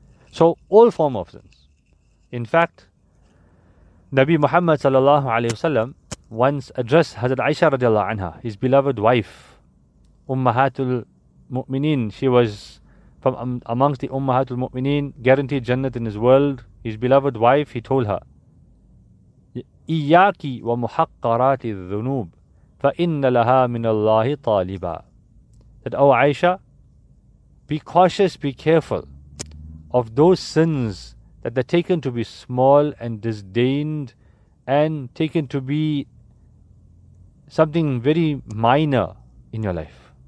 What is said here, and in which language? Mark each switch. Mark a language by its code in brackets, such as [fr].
[en] So all form of sins. In fact, Nabi Muhammad sallallahu alayhi wasallam once addressed Hazrat Aisha radiallahu anha, his beloved wife, Ummahatul Mu'mineen. She was from amongst the Ummahatul Mu'mineen, guaranteed Jannat in his world. His beloved wife, he told her, [ar] إِيَّاكِ وَمُحَقَّرَاتِ الذُّنُوبِ فَإِنَّ لَهَا مِنَ اللَّهِ طَالِبًا. [en] That, O Aisha, be cautious, be careful of those sins that are taken to be small and disdained and taken to be something very minor in your life.